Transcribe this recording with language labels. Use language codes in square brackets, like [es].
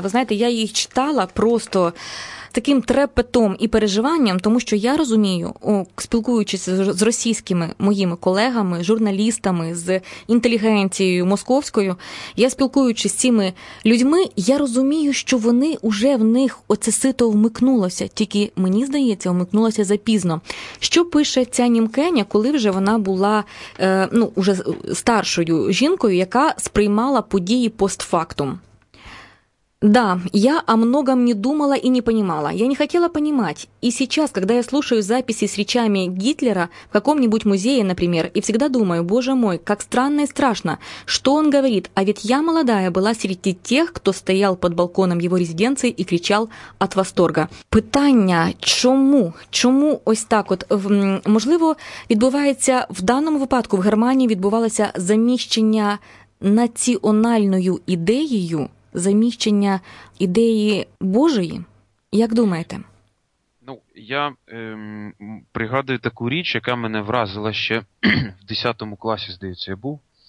[uk] Ви знаєте, я її читала просто таким трепетом і переживанням, тому що я розумію, спілкуючись з російськими моїми колегами, журналістами, з інтелігенцією московською, я спілкуючись з цими людьми, я розумію, що вони уже в них оце сито вмикнулося, тільки мені здається, вмикнулося запізно. Що пише ця Німкеня, коли вже вона була вже старшою жінкою, яка сприймала події постфактум? [ru] Да, я о многом не думала и не понимала. Я не хотела понимать. И сейчас, когда я слушаю записи с речами Гитлера в каком-нибудь музее, например, и всегда думаю, боже мой, как странно и страшно, что он говорит, а ведь я молодая была среди тех, кто стоял под балконом его резиденции и кричал от восторга. [uk] Питання, чому? Чому ось так от? Можливо, відбувається в даному випадку, в Германії відбувалося заміщення національною ідеєю, заміщення ідеї Божої? Як думаєте? Ну, я пригадую таку річ, яка мене вразила ще в 10 класі, здається, я був.